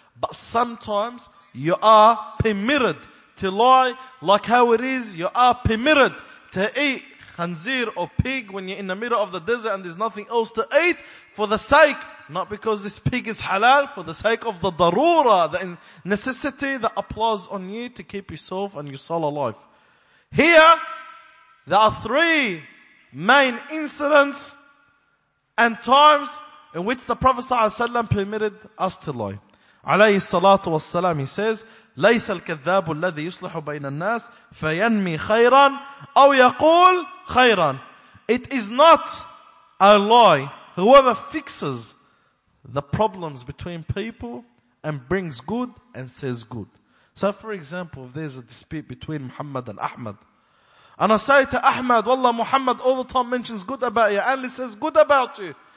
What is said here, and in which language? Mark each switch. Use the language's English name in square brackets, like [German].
[English] But sometimes you are permitted to lie, like how it is, you are permitted to eat khanzir or pig when you're in the middle of the desert and there's nothing else to eat for the sake, not because this pig is halal, for the sake of the darura, the necessity that applies on you to keep yourself and your soul alive. Here, there are three main incidents and times in which the Prophet Sallallahu Alaihi Wasallam permitted us to lie. [Arabic] Alayhi salatu wassalam, [English] he says, [Arabic] لَيْسَ الْكَذَّابُ الَّذِي يُصْلِحُ بَيْنَ النَّاسِ فَيَنْمِي خَيْرًا أَوْ يَقُولْ خَيْرًا [English] It is not a lie. Whoever fixes the problems between people and brings good and says good. So for example, if there's a dispute between Muhammad and Ahmad, and I say to Ahmad, Wallah, Muhammad all the time mentions good about you and he says good about you.